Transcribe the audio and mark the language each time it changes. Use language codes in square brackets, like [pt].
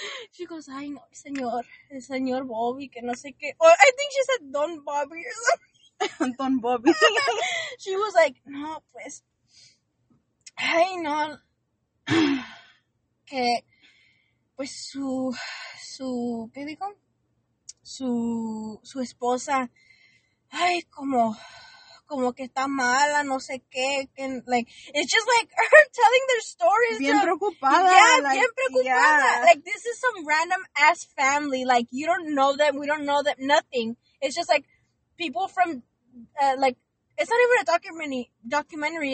[en] She goes, [es] ay, no, señor, el señor Bobby, que no sé qué. [en] Or I think she said Don Bobby or something. [es] Don Bobby. [en] She was like, [es] no, pues, ay, no, que, pues, su, ¿qué dijo? Su esposa, ay, como que está mala, no sé qué. [en] And, like, it's just, like, her telling their stories. [es] Bien preocupada. [en] Yeah, like, [es] bien preocupada. [en] Yeah. Like, this is some random-ass family. Like, you don't know them. We don't know them. Nothing. It's just, like, people from, like, it's not even a documentary.